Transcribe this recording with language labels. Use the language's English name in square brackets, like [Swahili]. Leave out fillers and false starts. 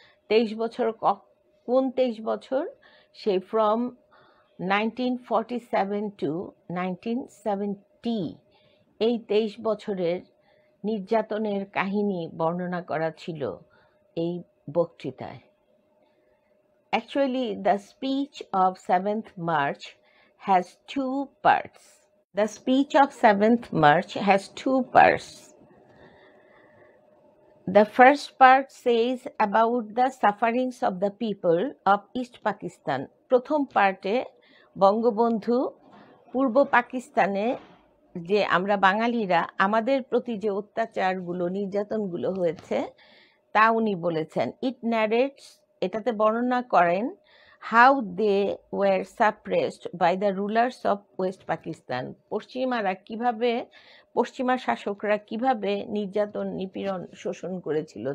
[Bangla] 23 বছর, কোন 23 বছর? সেই ফ্রম 1947 টু 1970, এই 23 বছরের নির্যাতনের কাহিনী বর্ণনা করা ছিল এই বক্তৃতায়। [English] Actually the speech of 7th March has two parts. The speech of 7th March has two parts. The first part says about the sufferings of the people of East Pakistan. [Bangla] প্রথম পার্টে বঙ্গবন্ধু পূর্ব পাকিস্তানে যে আমরা বাঙালিরা আমাদের প্রতি যে অত্যাচারগুলো, নির্যাতনগুলো হয়েছে তা উনি বলেছেন। [English] it narrates, [Bangla] এটাতে বর্ণনা করেন [English] how they were suppressed by the rulers of West Pakistan, [Bangla] পশ্চিমারা কীভাবে, পশ্চিমা শাসকরা কীভাবে নির্যাতন, নিপীড়ন, শোষণ করেছিল।